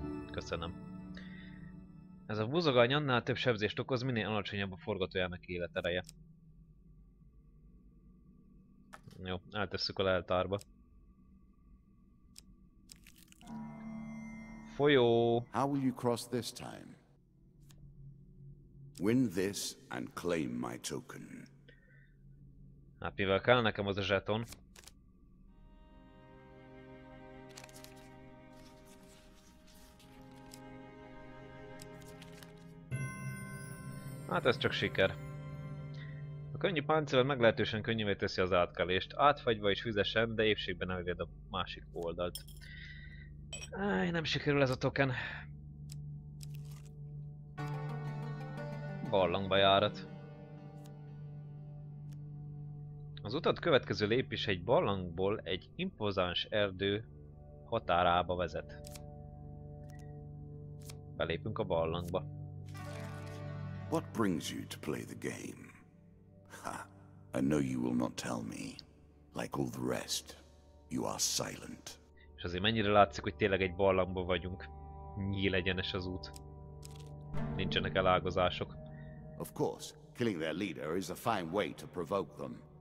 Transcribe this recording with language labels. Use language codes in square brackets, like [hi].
[hu] Köszönöm. Ez a buzogány annál több sebzést okoz, minél alacsonyabb a forgatójának életereje. Jó, eltesszük a leltárba. Folyó. [en] How will you cross this time? Win this and claim my token. [hu] Hát mivel kell nekem az a zseton? Hát ez csak siker. A könnyű páncél meglehetősen könnyűvé teszi az átkelést. Átfagyva és füzesen, de épségben eléred a másik oldalt. Áj, nem sikerül ez a token. Barlangba járat. Az utat következő lépés egy barlangból egy impozáns erdő határába vezet. Belépünk a barlangba. [en] What brings you to play the game? I know you will not tell me. Like all the rest, you are silent. [hu] És azért mennyire látszik, hogy tényleg egy barlangban vagyunk. Nyíl egyenes az út. Nincsenek elágazások. [en] Of course, killing their leader is a fine way to provoke them.